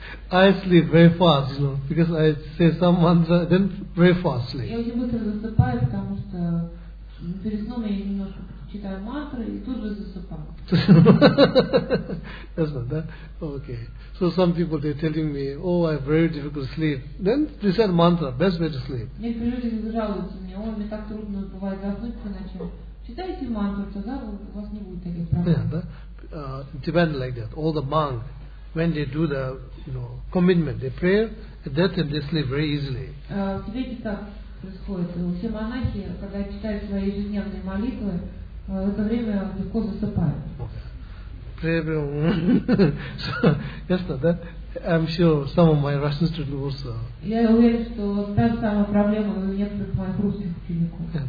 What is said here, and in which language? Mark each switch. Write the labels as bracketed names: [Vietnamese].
[English] I sleep very fast, you know, because I say some mantra, then very fast sleep. [Russian] Я очень быстро засыпаю, потому что перед сном я немножко читаю мантры и тут же засыпаю. [English] That's not that. Okay. So some people they're telling me, oh, I have very difficult sleep. Then they said mantra, best way to sleep. [Russian] Некоторые люди жалуются мне, ой, мне так трудно бывает заснуть по ночам. Читайте мантру, тогда у вас не будет таких проблем. [English] Yeah, да. It depends like that. All the monk, when they do the, you know, commitment, they pray, at that time they sleep very easily. [Russian] В Тибете так происходит. Все монахи, когда читают свои ежедневные молитвы, в это время легко засыпают. [English] So, yes, no, that, I'm sure some of my Russian students also. [Russian] Я уверен, что там самая проблема у некоторых моих русских учеников.